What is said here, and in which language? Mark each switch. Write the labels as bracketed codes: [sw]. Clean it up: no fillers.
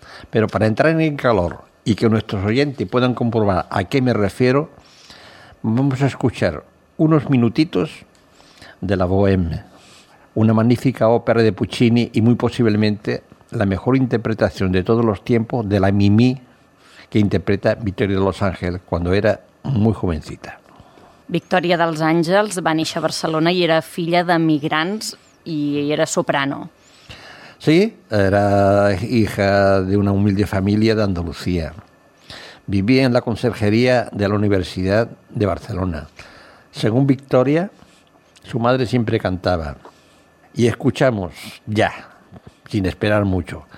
[ca] Però per entrar [es] en el calor y que nuestros oyentes puedan comprobar a qué me refiero, vamos a escuchar unos minutitos de La Bohème, una magnífica ópera de Puccini y muy posiblemente la mejor interpretación de todos los tiempos de la Mimi que interpreta Victoria de los Ángeles cuando era muy jovencita. [ca] Victoria dels Àngels va néixer a Barcelona i era filla d'emigrants i era soprano. [es] Sí, era hija de una humilde familia de Andalucía. Vivía en la conserjería de la Universidad de Barcelona. Según Victoria, su madre siempre cantaba. Y escuchamos ya, sin esperar mucho.